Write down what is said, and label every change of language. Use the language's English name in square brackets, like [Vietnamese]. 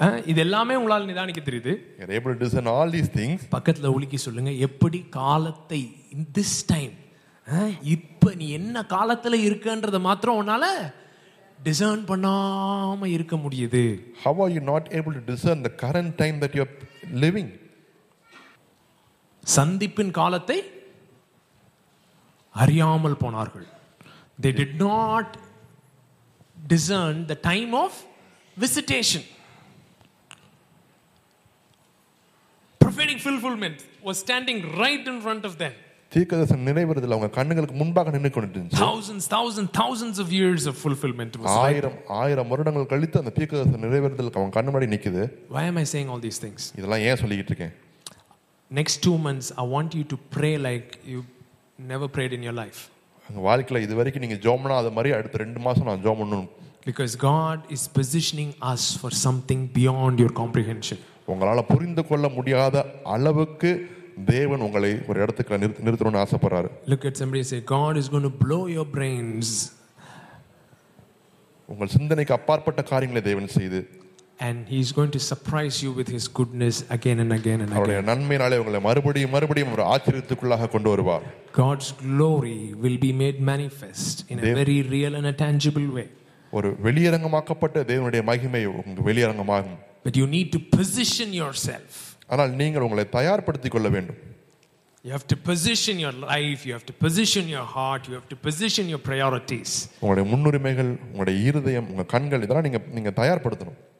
[Tamil] இது எல்லாமே உங்களால் நிதானிக்க தெரியுது. [English] You're able to discern all these things. [Tamil] பக்கத்துல உலுக்கி சொல்லுங்க, எப்படி காலத்தை [English] in this time, [Tamil] இப்ப நீ என்ன காலத்துல இருக்கன்றத மாத்திரம் உன்னால discern பண்ணாம இருக்க முடியுது. [English] How are you not able to discern the current time that you're living? [Tamil] சந்திப்பின் காலத்தை அறியாமல் போனார்கள். [English] They did not discern the time of visitation. Prophetic fulfillment was standing right in front of them. [Tamil] தீர்க்கதரிசன நிறைவேறுதல் அவங்க கண்ணுகளுக்கு முன்பாக நின்னு கொண்டிருந்தது. [English] Thousands of years of fulfillment was [Tamil] ஆயிரம் ஆயிரம் வருடங்கள் கழித்து அந்த தீர்க்கதரிசன நிறைவேறுதல் அவங்க கண்ணு முன்னாடி நிக்குது. [English] Why am I saying all these things? [Tamil] இதெல்லாம் ஏன் சொல்லிட்டு இருக்கேன்? [English] Next 2 months I want you to pray like you never prayed in your life. [Tamil] உங்க வாழ்க்கையில இதுவரைக்கும் நீங்க ஜெபமனா அது மாதிரி அடுத்த 2 மாசம் நான் ஜெபம் பண்ணணும். [English] Because God is positioning us for something beyond your comprehension. [Tamil] உங்களால் புரிந்து கொள்ள முடியாத அளவுக்கு தேவன் உங்களை ஒரு இடத்துக்கு நிறுத்தணும்னு ஆசைப்படுறாரு. [English] Look at somebody say, God is going to blow your brains. [Tamil] உங்கள் சிந்தனைக்கு அப்பாற்பட்ட காரியங்களை தேவன் செய்து. [English] And he is going to surprise you with his goodness again and again and again. [Tamil] நன்மையினாலே உங்களை மறுபடியும் ஒரு ஆச்சரியத்துக்குள்ளாக கொண்டு வருவார். [English] God's glory will be made manifest in a very real and a tangible way. [Tamil] ஒரு வெளியரங்கமாக்கப்பட்ட தேவனுடைய மகிமை உங்களுக்கு வெளியரங்கமாகும். [English] But you need to position yourself. [Tamil] ஆனால் நீங்கள் உங்களை தயார்படுத்திக் கொள்ள வேண்டும். [English] You have to position your life, you have to position your heart, you have to position your priorities. [Tamil] உங்களுடைய முன்னுரிமைகள், உங்களுடைய இதயம், உங்க கண்கள் இதெல்லாம் நீங்க தயார்படுத்தணும்.